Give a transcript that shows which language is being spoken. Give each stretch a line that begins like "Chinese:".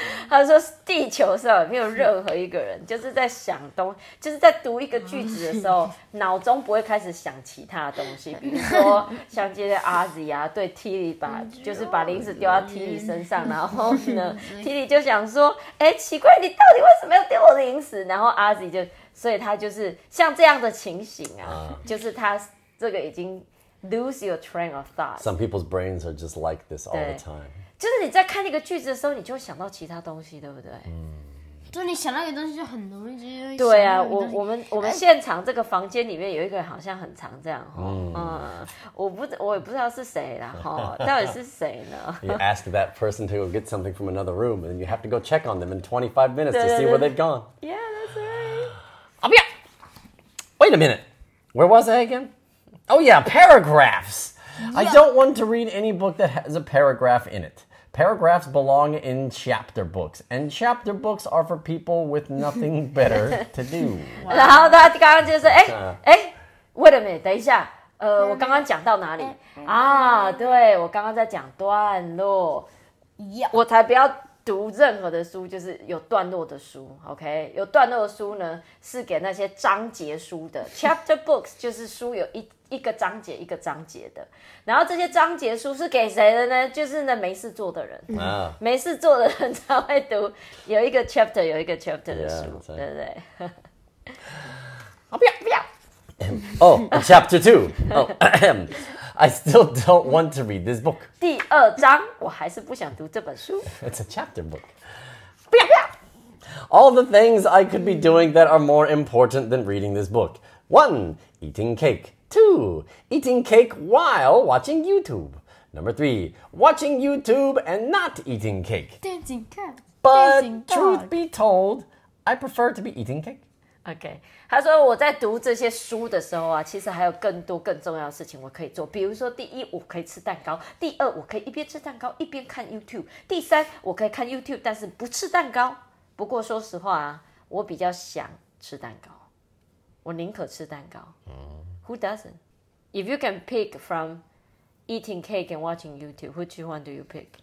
Chinese: 他说地球上没有任何一个人就是在想东就是在读一个句子的时候脑中不会开始想其他的东西比如说像今天阿 Z 啊对 Tilly 把就是把零食丢到 Tilly 身上然后呢Tilly 就想说哎，奇怪你到底为什么要丢我零食然后阿 Z 就所以他就是像这样的情形啊就是他这个已经
English: lose your train of thought Some people's brains are just like this all the time
Chinese: 就是你在看一个句子的时候，你就会想到其他东西，对不对？嗯，就你想到一个东西，就很容易就会想到一个东西。对啊，我们现场这个房间里面有一个人好像很常这样，嗯，我也不知道是谁啦，哈，到底是谁呢
English: ？You ask that person to go get something from another room, and you have to go check on them in 25 minutes to see where they've gone. Yeah, that's right. Wait a minute. Where was I again? Oh yeah, paragraphs. I don't want to read any book that has a paragraph in it. Paragraphs belong in chapter books, and chapter books are for people with nothing better to do.
Chinese: 然后他刚刚就是，
English: wait a minute,
Chinese: 等一下，我刚刚讲到哪里？啊，对，我刚刚在讲段落。我才不要读任何的书，就是有段落的书。 OK, 有段落的书呢，是给那些章节书的。 Chapter books 就是书有一个章节一个章节的，然后这些章节书是给谁的呢？就是那没事做的人，没事做的人才会读有一个 chapter 有一个 chapter 的书，
English: yeah,
Chinese: 对不对？不要不要。
English: Oh, chapter two. Oh, I still don't want to read this book.
Chinese: 第二章，我还是不想读这本书。
English: It's a chapter book.
Chinese: 不要不要。
English: All the things I could be doing that are more important than reading this book. One, eating cake. Two, eating cake while watching YouTube. Number three, watching YouTube and not eating cake. But truth be told, I prefer to be eating cake. Okay.
Chinese: 他说我在读这些书的时候啊，其实还有更多更重要的事情我可以做。比如说第一，我可以吃蛋糕。第二，我可以一边吃蛋糕一边看 YouTube。第三，我可以看 YouTube 但是不吃蛋糕。不过说实话啊，我比较想吃蛋糕。我宁可吃蛋糕。
English: Who doesn't? If you can pick from eating cake and watching YouTube, which one do you pick?